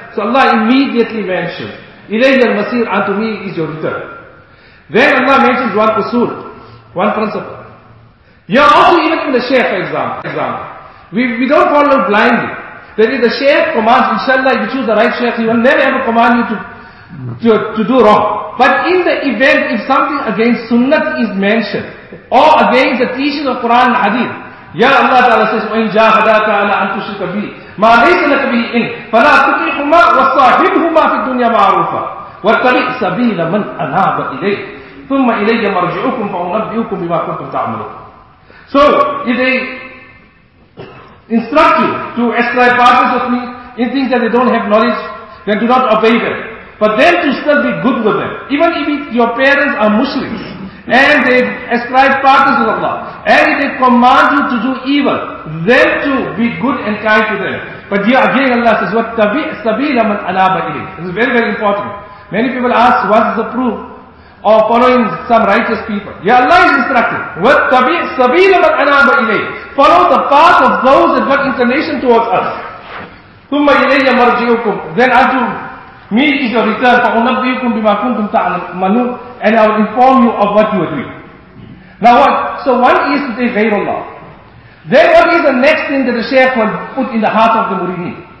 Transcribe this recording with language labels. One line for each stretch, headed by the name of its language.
English: So Allah immediately mentions,
Arabic: إِلَيْهِ الْمَسِيرُ
English: unto me is your return. Then Allah mentions one usul, one principle. You are also even in the shaykh, for example. We don't follow blindly. That if the shaykh commands, inshallah, if you choose the right shaykh, he will never ever command you to do wrong. But in the event, if something against sunnah is mentioned, or against the teachings of Quran and hadith, Ya Allah Ta'ala says,
Arabic: وَإِنْ جَاهَدَاكَ عَلَىٰ أَنْ تُشْرِكَ بِهِ مَا لَيْسَ لَكَ بِهِ إِنْ فَلَا تُطِعْهُمَا وَصَاحِبْهُمَا فِي الدُّنْيَا مَعْرُوفًا وَاتَّبِعْ سَبِيلَ مَنْ أَنَابَ إِلَيْهِ ثُمَّ إِلَيَّ مَرْجِعُكُمْ فَأُنَبِّئُكُمْ بِمَا كُنْتُمْ تَعْمَلُونَ.
English: So, if they instruct you to ascribe partners with me in things that they don't have knowledge, then do not obey them. But then to still be good with them. Even if your parents are Muslims, and they ascribe partners with Allah, and if they command you to do evil, then to be good and kind to them. But here again Allah says,
Arabic: وَاتَّبِعْ سَبِيلَ مَنْ أَنَابَ إِلَيْهِ.
English: This is very, very important. Many people ask, what is the proof of following some righteous people? Yeah, Allah is instructing,
Arabic: وَاتَّبِعْ سَبِيلَ مَنْ أَنَابَ إِلَيْهِ.
English: Follow the path of those that got inclination towards us.
Arabic: ثُمَّ إِلَيَّ مَرْجِعُكُمْ.
English: Then unto me is your return.
Arabic: فَأُنَبِّيُكُمْ بِمَا كُنْتُمْ تَعْمَلُونَ.
English: And I will inform you of what you are doing. Now what? So one is to say ghayrullah. Then what is the next thing that the shaykh will put in the heart of the muridin?